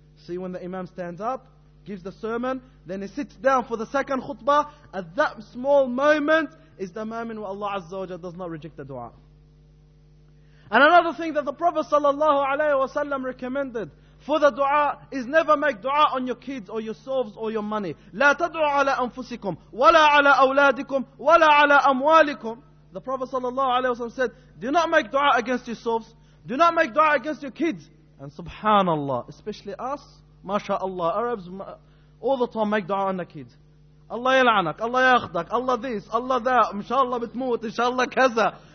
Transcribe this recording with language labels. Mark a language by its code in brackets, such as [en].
[en] See, when the imam stands up, gives the sermon, then he sits down for the second khutbah. At that small moment is the moment where Allah Azza wa Jalla does not reject the dua. And another thing that the Prophet sallallahu alaihi wasallam recommended for the dua is never make dua on your kids or yourselves or your money. [ar] لا تدعوا على أنفسكم ولا على أولادكم ولا على أموالكم. [en] The Prophet sallallahu alaihi wasallam said, do not make dua against yourselves. Do not make dua against your kids. And subhanallah, especially us, mashaAllah, Arabs, all the time make dua on the kids. [ar] Allah يلعنك, Allah يأخذك, [en] Allah this, Allah that, [ar] inshallah بتموت, inshallah كذا.